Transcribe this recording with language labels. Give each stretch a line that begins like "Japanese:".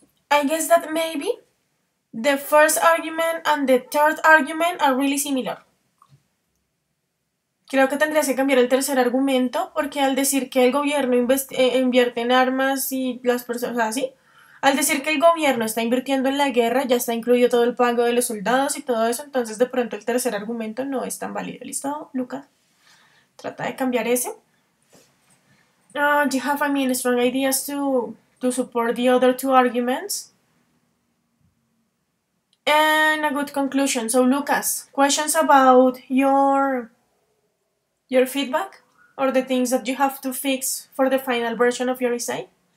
English: I guess that maybe the first argument and the third argument are really similar.
Spanish: Creo que tendrías que cambiar el tercer argumento porque al decir que el gobierno invierte en armas y las personas, o sea, sí. Al decir que el gobierno está invirtiendo en la guerra, ya está incluido todo el pago de los soldados y todo eso, entonces de pronto el tercer argumento no es tan válido. ¿Listo, Lucas? Trata de cambiar ese.
English: You have, I mean, strong ideas to support the other two arguments. And a good conclusion. So, Lucas, questions about your feedback or the things that you have to fix for the final version of your essay?